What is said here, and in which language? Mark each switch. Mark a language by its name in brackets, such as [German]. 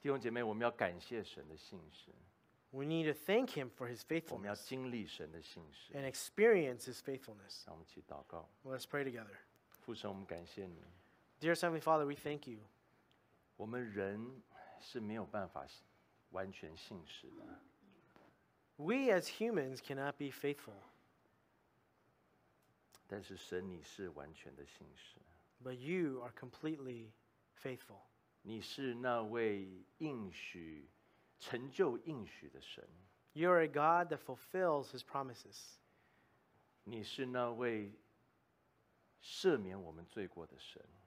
[Chinese] 弟兄姐妹，我们要感谢神的信实。 [English] We need to thank him for his faithfulness. [Chinese] 我们要经历神的信实。 [English] And experience his faithfulness. [Chinese] 让我们一起祷告。 [English] Let's pray together. [Chinese] 父神，我们感谢你。 [English] Dear Heavenly Father, we thank you. [Chinese] 我们人是没有办法完全信实的。 [English] We as humans cannot be faithful. [Chinese] 但是神，你是完全的信实。 [English] But you are completely faithful. [Chinese] 你是那位应许成就应许的神。 [English] You are a God that fulfills his promises. [Chinese] 你是那位赦免我们罪过的神。